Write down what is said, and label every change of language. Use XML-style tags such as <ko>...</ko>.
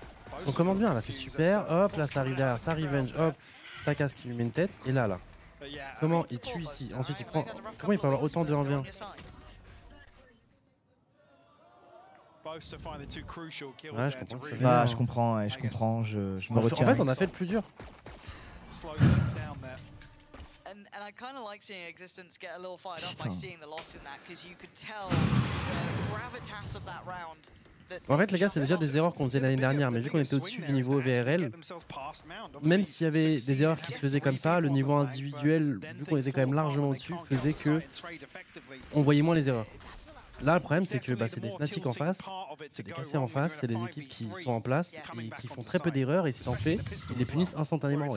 <fr>Parce qu'on commence bien là, c'est super. Hop là, ça arrive derrière, ça revenge. Hop, Takas qui lui met une tête. Et là, comment il tue ici? Ensuite, il prend. Comment il peut avoir autant de 1v1? Ouais, je comprends. Je comprends. Je me retiens. En fait, on a fait le plus dur.</fr> <en>slow things down there. And I kind of like seeing Existence get a little fired up by seeing the loss in that, because you could tell the gravitas of that round.</en> <fr>En fait, les gars, c'est déjà des erreurs qu'on faisait l'année dernière, mais vu qu'on était au-dessus du niveau VRL, même s'il y avait des erreurs qui se faisaient comme ça, le niveau individuel, vu qu'on était quand même largement au-dessus, faisait que on voyait moins les erreurs. Là, le problème, c'est que bah, c'est des Fnatic en face, c'est des cassés en face, c'est des équipes qui sont en place et qui font très peu d'erreurs, et si t'en fais, ils les punissent instantanément.</fr>